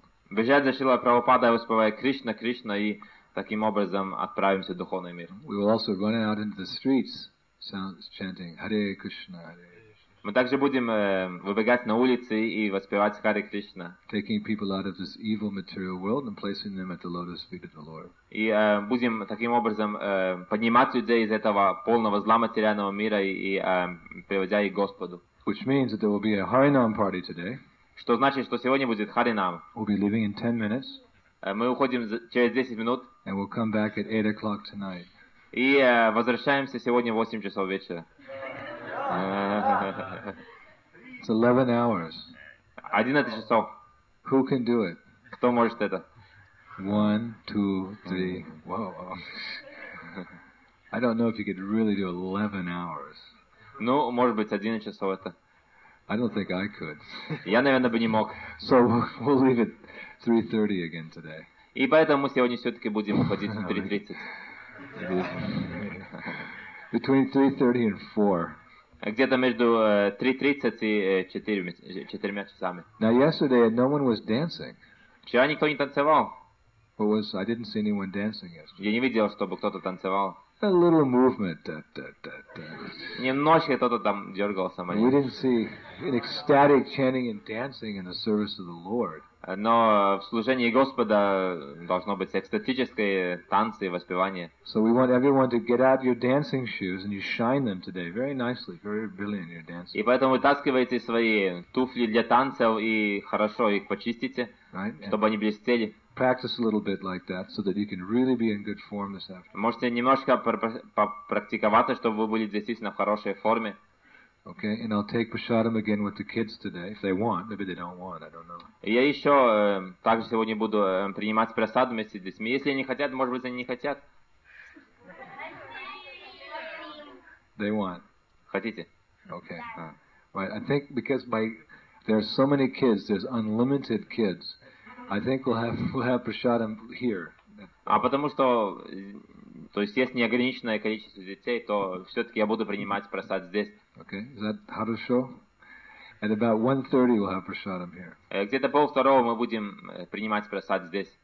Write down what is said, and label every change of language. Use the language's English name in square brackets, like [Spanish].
[Russian] Бежать за Шрила Прабхупада, воспевая Кришна, Кришна, и таким образом отправимся в духовный мир. [English] We will also run out into the streets, chanting Hare Krishna, Hare Krishna. [Russian] Мы также будем выбегать на улицы и воспевать Харе Кришна. [English] Taking people out of this evil material world and placing them at the lotus feet of the Lord. [Russian] И будем таким образом поднимать людей из этого полного зла материального мира и приводя их к Господу. [English] Which means that there will be a Harinam party today. [Russian] Что значит, что сегодня будет Харинам. [English] We'll be leaving in 10 minutes. [Russian] Мы уходим через 10 минут. [English] And we'll come back at 8 o'clock tonight. [Russian] И возвращаемся сегодня в 8 часов вечера. [English] It's 11 hours. [Russian] 11 часов. [English] Who can do it? [Russian] Кто может это? [English] 1, 2, 3. Wow. I don't know if you could really do 11 hours. [Russian] Ну, может быть, 11 часов это. [English] I don't think I could. [Russian] Я, наверное, бы не мог. [English] So we'll leave at 3:30 again today. [Russian] И поэтому мы сегодня все-таки будем уходить в 3:30. [English] Between 3:30 and 4. [Russian] Где-то между 3:30 и 4 часами. [English] Now yesterday, no one was dancing. [Russian] Вчера никто не танцевал. [English] What was I didn't see anyone dancing yesterday. [Russian] Я не видел, чтобы кто-то танцевал. [English] A little movement. [Russian] Немножко кто-то там дергался. [English] We didn't see an ecstatic chanting and dancing in the service of the Lord. [Russian] Но в служении Господа должно быть экстатическое танцы и воспевание. [English] So we want everyone to get out your dancing shoes and you shine them today very nicely, very brilliant your dancing. [Russian] И поэтому вытаскивайте свои туфли для танцев и хорошо их почистите, [English] right? [Russian] Чтобы они блестели. [English] Practice a little bit like that so that you can really be in good form this afternoon. [Russian] Можете немножко попрактиковаться, чтобы вы были действительно в хорошей форме. [English] Okay, and I'll take prasadam again with the kids today if they want. Maybe they don't want. I don't know. [Russian] Я еще также сегодня буду принимать прасадам вместе с детьми. Если они хотят, может быть, они не хотят. [English] They want. [Russian] Хотите? [English] Okay. Right. I think because by there are so many kids, there's unlimited kids. I think we'll have prasadam here. [Russian] А потому что то есть есть неограниченное количество детей, то все-таки я буду принимать прасад здесь. [English] Okay, is that [Russian] хорошо? [English] At about 1:30 we'll have prasadam here. [Russian] Где-то полвторого мы будем принимать прасад здесь.